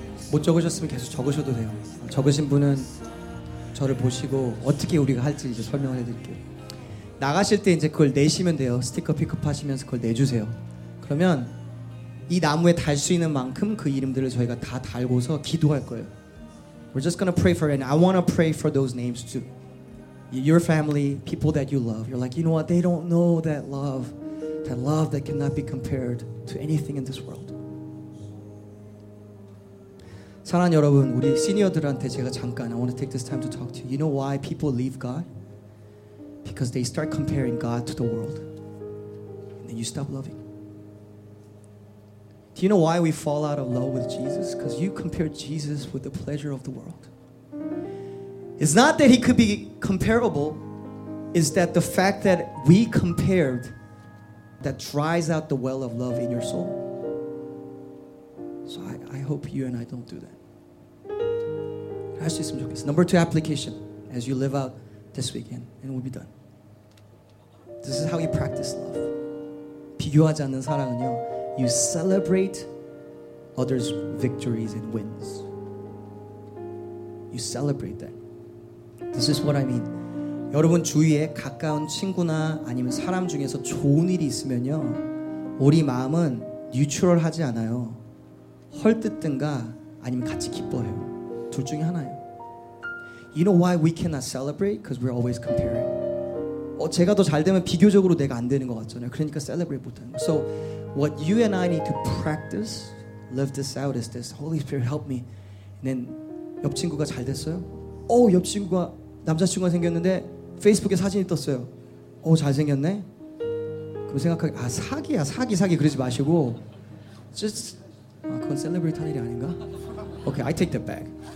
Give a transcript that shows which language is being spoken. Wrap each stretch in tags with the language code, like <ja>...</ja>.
<ko>못 적으셨으면 계속 적으셔도 돼요. 적으신 분은 저를 보시고 어떻게 우리가 할지 이제 설명을 해드릴게요. 나가실 때 이제 그걸 내시면 돼요. 스티커 픽업하시면서 그걸 내주세요. 그러면 이 나무에 달 수 있는 만큼 그 이름들을 저희가 다 달고서 기도할 거예요.</ko> <en>We're just gonna pray for it. And I wanna pray for those names too. Your family, people that you love. You're like, you know what? They don't know that love. That love that cannot be compared to anything in this world.</en> <ko>사랑하는 여러분, 우리 시니어들한테 제가 잠깐</ko> <en>I wanna take this time to talk to you. You know why people leave God? Because they start comparing God to the world. And then you stop loving. Do you know why we fall out of love with Jesus? Because you compare Jesus with the pleasure of the world. It's not that he could be comparable. It's that the fact that we compared that dries out the well of love in your soul. So I hope you and I don't do that.</en> <ko>할 수 있으면 좋겠어.</ko> <en>Number two application as you live out this weekend and we'll be done. This is how you practice love.</en> <ko>비교하지 않는 사랑은요.</ko> <en>You celebrate others' victories and wins. You celebrate that. This is what I mean.</en> <ko>여러분 주위에 가까운 친구나 아니면 사람 중에서 좋은 일이 있으면요. 우리 마음은 뉴트럴하지 않아요. 헐뜯든가 아니면 같이 기뻐해요. 둘 중에 하나예요.</ko> <en>You know why we cannot celebrate? Because we're always comparing.</en> <ko>제가 더 잘 되면 비교적으로 내가 안 되는 것 같잖아요. 그러니까 celebrate 못하는 거.</ko> <en>So what you and I need to practice, live this out is this. Holy Spirit, help me. And then</en> <ko>옆 친구가 잘 됐어요? 오, 옆 친구가 남자친구가 생겼는데 페이스북에 사진이 떴어요. 오, 잘생겼네? 그럼 생각하기, 아, 사기야, 사기, 사기 그러지 마시고 just, 아, 그건 celebrate 한 일이 아닌가?</ko> <en>Okay, I take that back.</en>